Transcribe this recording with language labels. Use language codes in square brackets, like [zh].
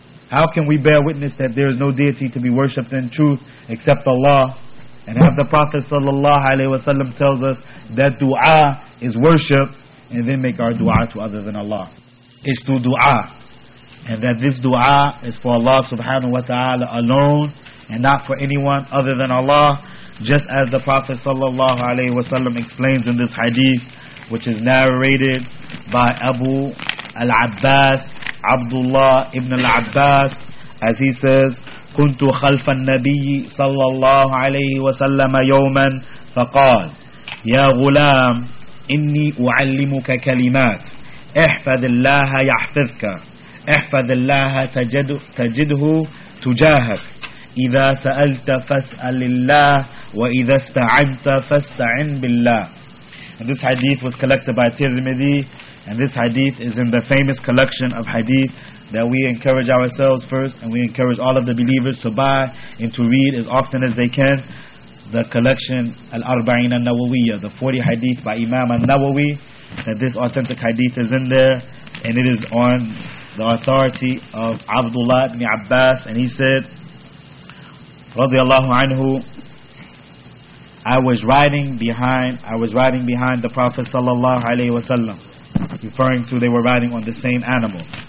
[en] How can we bear witness that there is no deity to be worshipped in truth except Allah, and have the Prophet sallallahu alaihi wasallam tells us that dua is worship, and then make our dua to other than Allah? It's through dua. And that this dua is for Allah subhanahu wa ta'ala alone, and not for anyone other than Allah. Just as the Prophet sallallahu alaihi wasallam explains in this hadith, which is narrated by Abu al-Abbas, Abdullah ibn al-Abbas, as he says, [ar] كنت خلف النبي صلى الله عليه وسلم يوما فقال يا غلام إني أعلمك كلمات احفظ الله يحفظك احفظ الله تجده تجاهك إذا سألت فاسأل الله وإذا استعنت فاستعن بالله. [en] And this hadith was collected by Tirmidhi, and this hadith is in the famous collection of hadith that we encourage ourselves first, and we encourage all of the believers to buy and to read as often as they can, the collection Al-Arba'in Al-Nawawiyya, the 40 hadith by Imam Al-Nawawi, that this authentic hadith is in there, and it is on the authority of Abdullah ibn Abbas, and he said, radiyallahu anhu, I was riding behind the Prophet sallallahu alayhi wa sallam, referring to they were riding on the same animal.